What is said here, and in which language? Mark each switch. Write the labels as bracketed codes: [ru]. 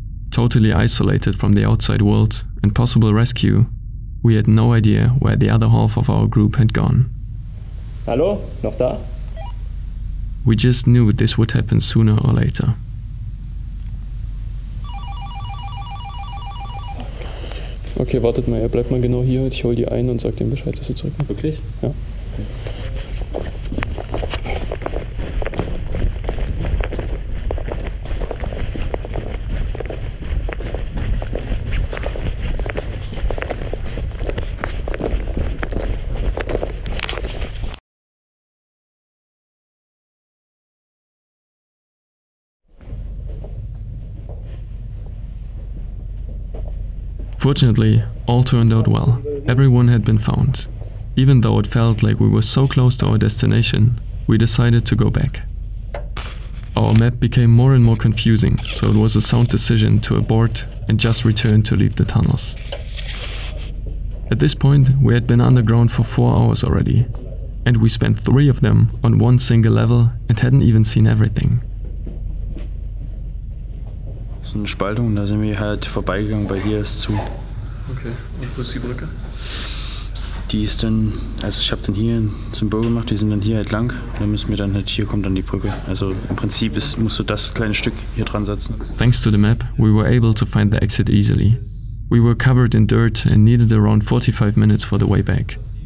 [en] Totally isolated from the outside world and possible rescue, we had no idea where the other half of our group had gone. [de] Hallo? Noch da? [en] We just knew this would happen sooner or later. [de] Okay, wartet mal, ihr bleibt mal genau hier. Ich hol die ein und sag dem Bescheid, dass sie zurück. Wirklich? Ja. [en] Fortunately, all turned out well. Everyone had been found. Even though it felt like we were so close to our destination, we decided to go back. Our map became more and more confusing, so it was a sound decision to abort and just return to leave the tunnels. At this point, we had been underground for 4 hours already, and we spent 3 of them on one single level and hadn't even seen everything. [de] Eine Spaltung, da sind wir halt vorbeigegangen, weil hier ist zu. Okay, und wo ist die Brücke? Die ist dann, also ich habe dann hier ein Symbol gemacht, die sind dann hier halt lang. Und dann müssen wir dann halt, hier kommt dann die Brücke. Also im Prinzip ist, musst du das kleine Stück hier dran setzen. [en] Thanks to the map, we were able to find the exit easily. We were covered in dirt and needed around 45 minutes for the way back.